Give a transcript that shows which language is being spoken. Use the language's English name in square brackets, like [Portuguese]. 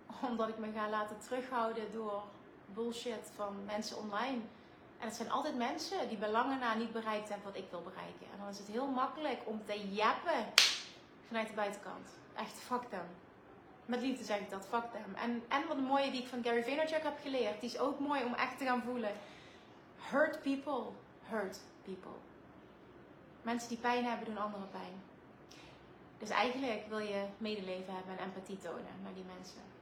[Dutch] Omdat ik me ga laten terughouden door bullshit van mensen online. En het zijn altijd mensen die belangen na niet bereikt hebben wat ik wil bereiken. En dan is het heel makkelijk om te jappen vanuit de buitenkant. Echt, fuck them. Met liefde zeg ik dat, fuck them. En wat een mooie die ik van Gary Vaynerchuk heb geleerd. Die is ook mooi om echt te gaan voelen. [English] Hurt people, hurt people. [Dutch] Mensen die pijn hebben, doen anderen pijn. Dus eigenlijk wil je medeleven hebben en empathie tonen naar die mensen.